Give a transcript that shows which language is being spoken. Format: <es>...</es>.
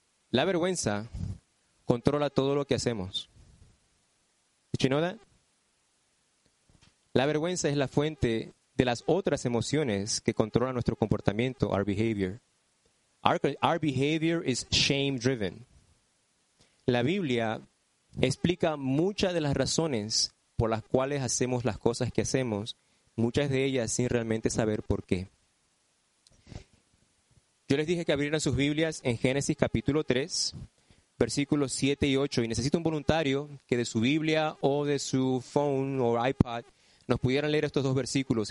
<es>La vergüenza controla todo lo que hacemos.</es> <en>Did you know that?</en> <es>La vergüenza es la fuente de las otras emociones que controlan nuestro comportamiento,</es> <en>our behavior. Our behavior is shame-driven.</en> <es>La Biblia explica muchas de las razones por las cuales hacemos las cosas que hacemos, muchas de ellas sin realmente saber por qué. Yo les dije que abrieran sus Biblias en Génesis capítulo 3, versículos 7 y 8, y necesito un voluntario que de su Biblia o de su phone o iPad nos pudieran leer estos dos versículos.</es>